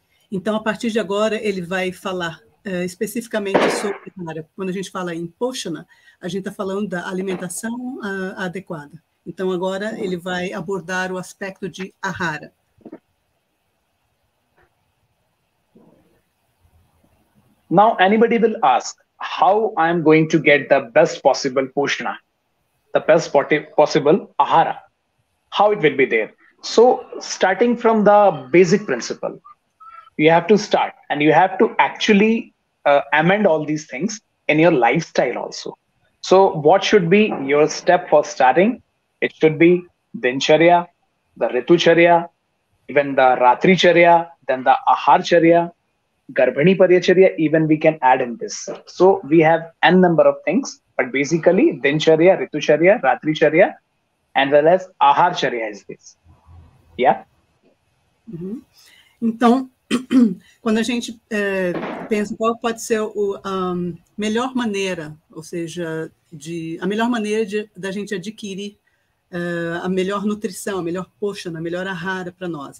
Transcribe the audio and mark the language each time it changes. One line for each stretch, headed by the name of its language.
Portuguese: Então, a partir de agora, ele vai falar especificamente sobre ahara. Quando a gente fala em poshana, a gente está falando da alimentação adequada. Então, agora ele vai abordar o aspecto de ahara.
English: Now, anybody will ask, how I am going to get the best possible poshana, the best possible ahara, how it will be there. So, starting from the basic principle, you have to start and you have to actually amend all these things in your lifestyle also. So, what should be your step for starting? It should be dincharya, the ritucharya, even the ratricharya, then the aharcharya. Garbhani Pariyacharya, even we can add in this. So we have n number of things, but basically Dincharya, Ritucharya, Ratricharya, and well as Aharcharya is this. Yeah?
Portuguese: Então, quando a gente pensa qual pode ser a melhor maneira, ou seja, a melhor maneira da gente adquirir a melhor nutrição, a melhor poshana, a melhor ahara para nós.